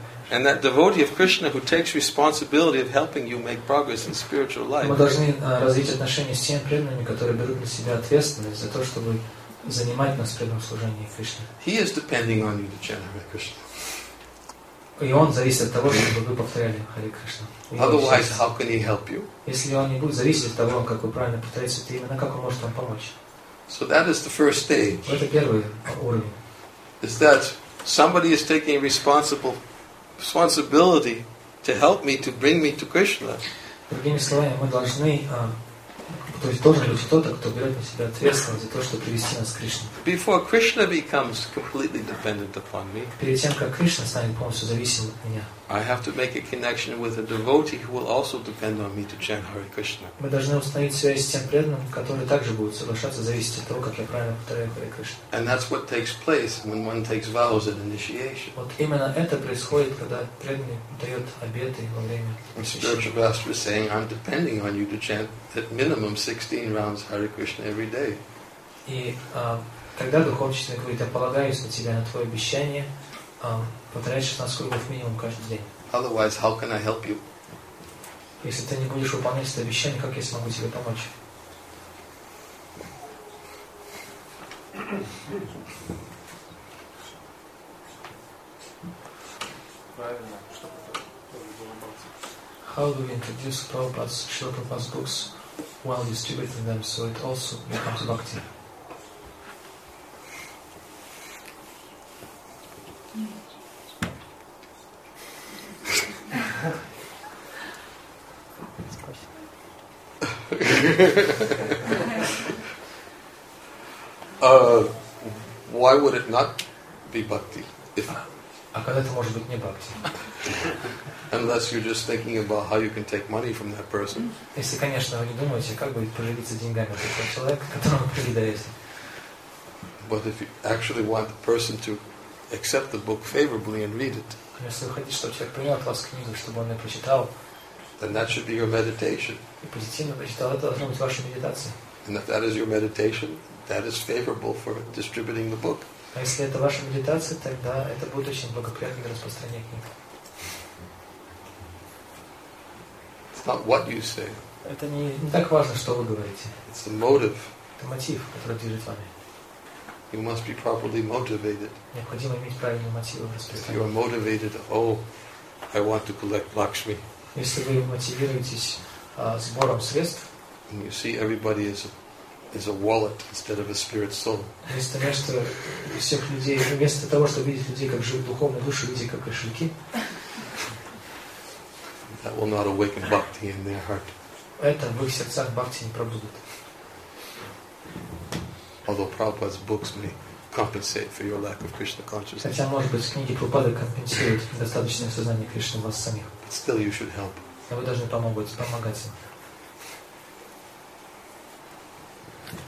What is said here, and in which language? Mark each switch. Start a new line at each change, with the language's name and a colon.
English: And that devotee of Krishna who takes responsibility of helping you make progress in spiritual life.
Russian: Мы должны развить отношения с теми преданными, которые берут на себя ответственность за то, чтобы занимать нас в преданном служении Кришне.
English: He is depending on you to chant Hare Krishna.
Russian: И он зависит от того, чтобы вы повторяли Хари Кришна.
English: Otherwise, how can he help you?
Russian: Если он не будет зависеть от того, как вы правильно повторяете это имя, как он может вам помочь?
English: So that is the first stage.
Russian: Это первый уровень.
English: Is that somebody is taking responsibility to help me, to bring me to Krishna.
Russian: Другими словами, мы должны, то есть должен быть кто-то, кто берет на себя ответственность за то, чтобы привести нас к Кришне.
English: Before Krishna becomes completely dependent upon me,
Russian: перед тем, как Кришна станет полностью зависим от меня,
English: I have to make a connection with a devotee who will also depend on me to chant Hare Krishna.
Russian: Мы должны установить связь с тем преданным, который также будет соглашаться зависеть от того, как я правильно повторяю Хари Кришна.
English: And that's what takes place when one takes vows at initiation.
Russian: Вот именно это происходит, когда преданный дает обеты во время посвящения.
English: Spiritual master is saying, I'm depending on you to chant at minimum 16 rounds Hare Krishna every day.
Russian: И когда духовный учитель говорит, я полагаюсь на тебя, на твое обещание.
English: Otherwise, how can I help you?
Russian: Если ты не будешь выполнять это обещание, как я смогу тебе помочь?
English: How do we introduce Prabhupada's Srila Prabhupada's books while distributing them so it also becomes bhakti? Why would it not be bhakti?
Russian: А как это может быть не бхакти?
English: Unless you're just thinking about how you can take money from that person.
Russian: Если, конечно, вы не думаете, как будет поживиться деньгами от этого человека, которому передаете.
English: But if you actually want the person to accept the book favorably and read it.
Russian: Если вы хотите, чтобы человек принял от вас книгу, чтобы он ее прочитал.
English: Then that should be your meditation.
Russian: И позитивно прочитал, это должно быть вашей медитацией.
English: And if that is your meditation, that is favorable for distributing the book.
Russian: А если это ваша медитация, тогда это будет очень благоприятно для распространения книг.
English: It's not what you say.
Russian: Это не так важно, что вы говорите.
English: It's the motive.
Russian: Это мотив, который движет вами.
English: You must be properly motivated.
Russian: Необходимо иметь правильные мотивы в распространении.
English: If you are motivated, I want to collect Lakshmi.
Russian: Если вы мотивируетесь сбором средств,
English: and you see everybody is a wallet instead of a spirit soul.
Russian: Вместо того, что всех людей, вместо того, чтобы видеть людей как живую духовную душу, видите как кошельки,
English: that will not awaken bhakti in their heart.
Russian: Это в их сердцах бхакти не пробудет.
English: Although Prabhupada's books may compensate for your lack of Krishna consciousness.
Russian: Хотя, может быть, книги Прабхупады компенсируют недостаточное сознание Кришны в вас самих.
English: Still, you should help.
Russian: Но вы должны помогать им.